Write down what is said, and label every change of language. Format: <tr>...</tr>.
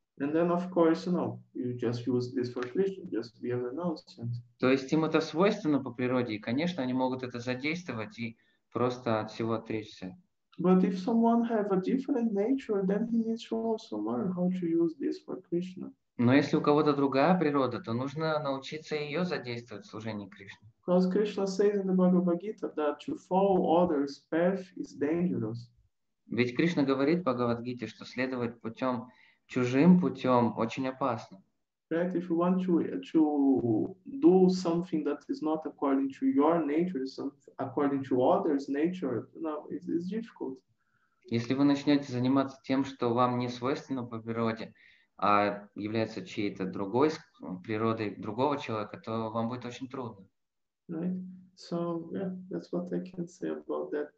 <en>And then, of course, you know, you just use this for Krishna, just be a renunciant.</en> <ru>То есть им это свойственно по природе, и, конечно, они могут это задействовать и просто от всего отречься.</ru> <en>But if someone have a different nature, then he needs to also learn how to use this for Krishna.</en> <ru>Но если у кого-то другая природа, то нужно научиться ее задействовать в служении Кришне.</ru> <en>Because Krishna says in the Bhagavad Gita that to follow others' path is dangerous.</en> <ru>Ведь Кришна говорит в Бхагавадгите, что следовать путем чужим путем очень опасно.</ru> <en>Right, if you want to do something that is not according to your nature, according to others' nature, you know, it's difficult.</en> <ru>Если вы начнете заниматься тем, что вам не свойственно по природе, а является чьей-то другой природой другого человека, то вам будет очень трудно.</ru> <en>Right. So, yeah, that's what I can say about that.</en>